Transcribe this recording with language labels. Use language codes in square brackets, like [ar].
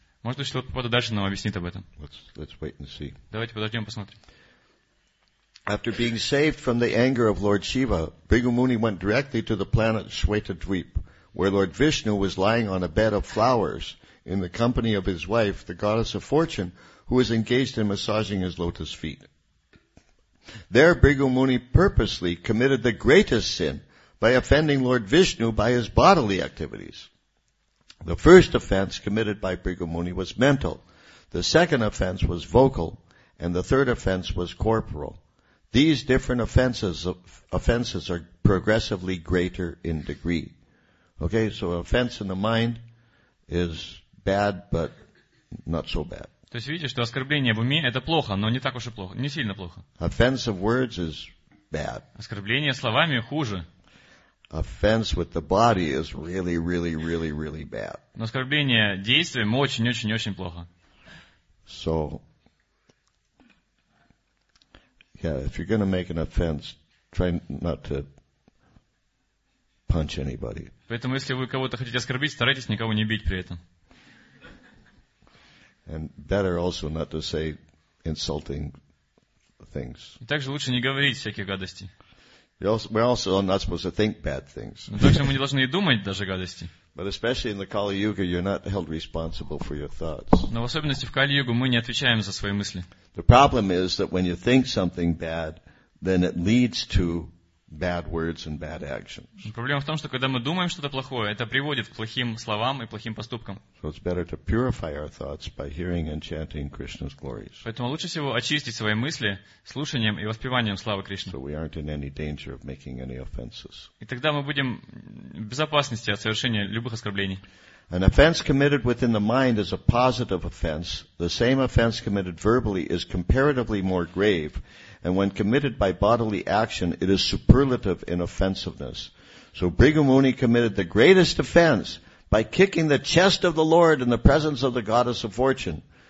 [ru] Может быть, Шрила Прабхупада дальше нам объяснит об этом. [en] Let's wait and see. [ru] Давайте подождем, посмотрим. [en] After being saved from the anger of Lord Shiva, Bhrigu Muni went directly to the planet Shvetadvip, where Lord Vishnu was lying on a bed of flowers in the company of his wife, the goddess of fortune, who was engaged in massaging his lotus feet. There, Bhrigu Muni purposely committed the greatest sin by offending Lord Vishnu by his bodily activities. The first offense committed by Bhrigu Muni was mental, the second offense was vocal, and the third offense was corporal. These different offenses are progressively greater in degree. Okay, so offense in the mind is bad, but not so bad. [ru] То есть видите, что оскорбление в уме это плохо, но не так уж и плохо, не сильно плохо. [en] Offense of words is bad. [ru] Оскорбление словами хуже. [en] Offense with the body is really, really, really, really bad. [ru] Но оскорбление действием очень плохо. [en] So, yeah, if you're going to make an offense, try not to punch anybody. [ru] Поэтому, если вы кого-то хотите оскорбить, старайтесь никого не бить при этом. [en] And better also not to say insulting things. [ru] И также лучше не говорить всякие гадости. [en] We're also not supposed to think bad things. [ru] Также мы не должны и думать даже гадости. [en] But especially in the Kali Yuga, you're not held responsible for your thoughts. [ru] Но в особенности в Кали Югу мы не отвечаем за свои мысли. [en] The problem is that when you think something bad, then it leads to bad words and bad actions. [ru] Проблема в том, что когда мы думаем что-то плохое, это приводит к плохим словам и плохим поступкам. [en] So it's better to purify our thoughts by hearing and chanting Krishna's glories. [ru] Поэтому лучше всего очистить свои мысли слушанием и воспеванием славы Кришны. [en] So we aren't in any danger of making any offenses. [ru] И тогда мы будем в безопасности от совершения любых оскорблений. [en] An offense committed within the mind is a positive offense. The same offense committed verbally is comparatively more grave. And when committed by bodily action, it is superlative in offensiveness. So Bhrigu Muni committed the greatest offense by kicking the chest of the Lord in the presence of the goddess of fortune.